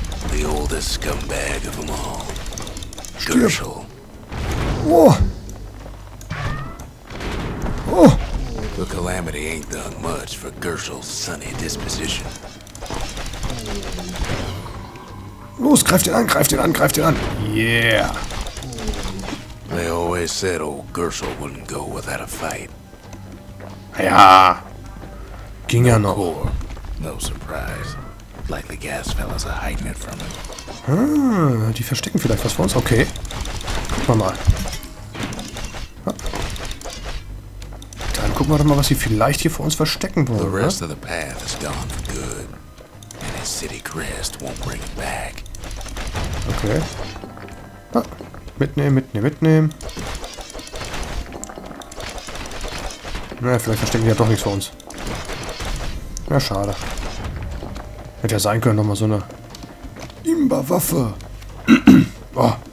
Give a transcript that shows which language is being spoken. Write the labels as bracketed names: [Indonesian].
[English] The oldest scumbag of them all. Gershel. Oh. Oh. The calamity ain't done much for Gershel's sunny disposition. [German] Los, greift ihn an, greift ihn an, greift ihn an. Yeah. [English] They always said old Gersel wouldn't go without a fight. [German] Ja. Ging ja noch. [English] No surprise. Like the gas fellas are hiding it from him. [German] Ah, die verstecken vielleicht was vor uns. Okay. Gucken wir mal. Dann gucken wir doch mal, was sie vielleicht hier vor uns verstecken wollen. [English] The rest of the path is gone for good. And his city crest won't bring it back. [German] Okay. Ah, mitnehmen, mitnehmen, mitnehmen. Naja, vielleicht verstecken die ja doch nichts vor uns. Ja, schade. Hätte ja sein können, nochmal so eine Imba-Waffe. Oh.